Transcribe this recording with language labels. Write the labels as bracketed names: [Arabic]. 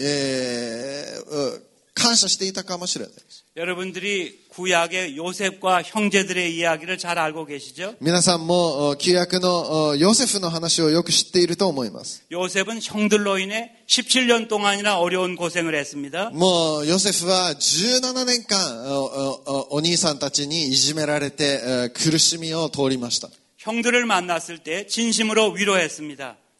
[Japanese] 私たちが本当にその主の計画を知っていたら、その不満を言わずに感謝していたかもしれない。 [Korean] 여러분들이 구약의 요셉과 형제들의 이야기를 잘 알고 계시죠? [Japanese] 皆さんも旧約のヨセフの話をよく知っていると思います。 [Korean] 요셉은 형들로 인해 17년 동안이나 어려운 고생을 했습니다. [Japanese] もうヨセフは17年間お兄さんたちにいじめられて苦しみを通りました。 [Korean] 형들을 만났을 때 진심으로 위로했습니다.